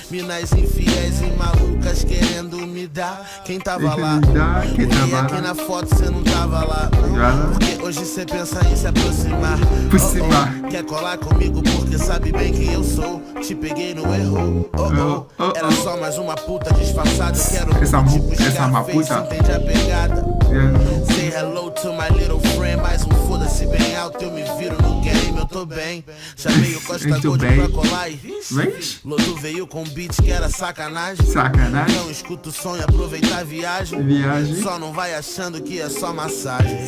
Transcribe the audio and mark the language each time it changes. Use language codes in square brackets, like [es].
[pt] Minas infiéis e malucas querendo me dar. Quem tava lá? Quem aqui na foto cê não tava lá. Porque hoje cê pensa em se aproximar. Quer colar comigo porque sabe bem quem eu sou. Te peguei no erro. Era só mais uma puta disfarçada. Quero essa uma puta. Entende a pegada. [en] Say hello to my little friend. [pt] Mais um foda-se bem alto. Eu me viro no game, eu tô bem. Chamei o Costa Gold pra colar. Lodo veio com beat que era sacanagem. Não escuto o som e aproveita a viagem. Só não vai achando que é só massagem.